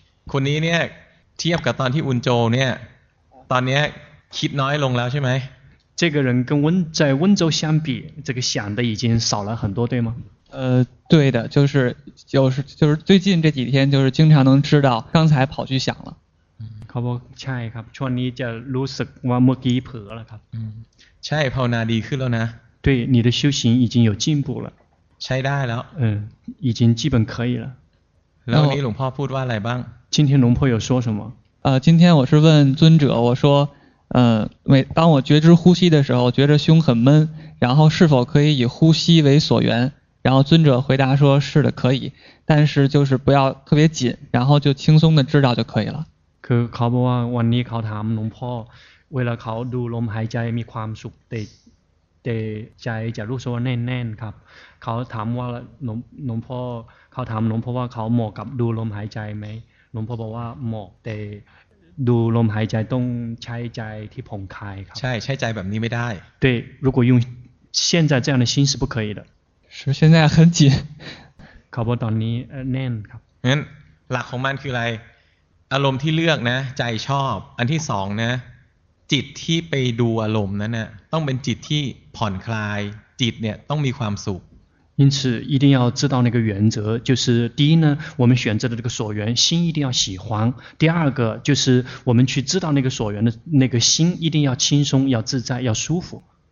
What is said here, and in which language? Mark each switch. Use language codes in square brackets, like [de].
[th] คนนี้เนี่ยเทียบกับตอนที่อุนโจเนี่ยตอนเนี้ยคิดน้อยลงแล้วใช่มั้ย [zh] 这个人跟在温州相比这个想的已经少了很多对吗对的就是最近这几天就是经常能知道刚才跑去想了 [th] เขาบอกใช่ครับช่วงนี้จะรู้สึกว่าเมื่อกี้เผลอแล้วครับ ใช่ภาวนาดีขึ้นแล้วนะ [zh] 对你的修行已经有进步了 [th] ใช้ได้แล้ว [zh] 已经基本可以了 [th] แล้ววันนี้หลวงพ่อพูดว่าอะไรบ้าง [zh] 今天龙婆有说什么今天我是问尊者我说当我觉知呼吸的时候觉着胸很闷然后是否可以以呼吸为所缘然后尊者回答说是的可以但是就是不要特别紧然后就轻松的知道就可以了 [th] คือเขาบอกว่าวันนี้เขาถามหลวงพ่อเวลาเขาดูลมหายใจมีความสุขแต่ใจจะรู้สึกว่าแน่นๆครับเขาถามว่าหลวงพ่อเขาถามหลวงพ่อว่าเขาเหมาะกับดูลมหายใจไหมหลวงพ่อบอกว่าเหมาะแต่ดูลมหายใจต้องใช้ใจที่ผ่องคลายครับ ใช่ใช้ใจแบบนี้ไม่ได้ [zh] 对如果用现在这样的心是不可以的是现在很紧 [th] เขาบอกตอนนี้แน่นครับ งั้นหลักของมันคืออะไรอารมณ์ที่เลือกนะใจชอบอันที่สองนะจิตที่ไปดูอารมณ์นั้นน่ะต้องเป็นจิตที่ผ่อนคลายจิตเนี่ยต้องมีความสุข [zh] 因此一定要知道那个原则就是第一呢我们选择的这个所缘心一定要喜欢第二个就是我们去知道那个所缘的那个心一定要轻松要自在要舒服